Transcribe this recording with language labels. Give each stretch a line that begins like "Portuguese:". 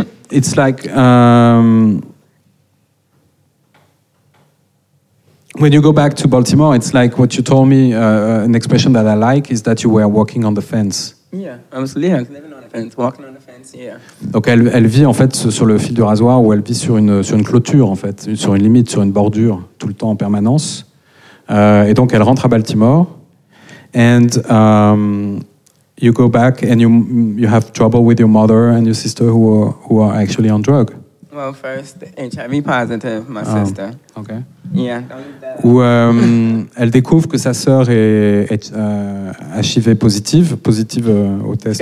English: it's like, when you go back to Baltimore, it's like what you told me, an expression that I like, is that you were walking on the fence. Yeah, I was living on the fence, walking on the fence, yeah.
French: Donc elle vit en fait sur le fil du rasoir, ou elle vit sur une clôture en fait, sur une limite, sur une bordure, tout le temps en permanence.
English: Et donc elle rentre à Baltimore, and you go back and you have trouble with your mother and your sister who are actually on drug. Well, first HIV positive, my sister. Okay. Yeah.
French: Où elle découvre que sa sœur est HIV positive au test.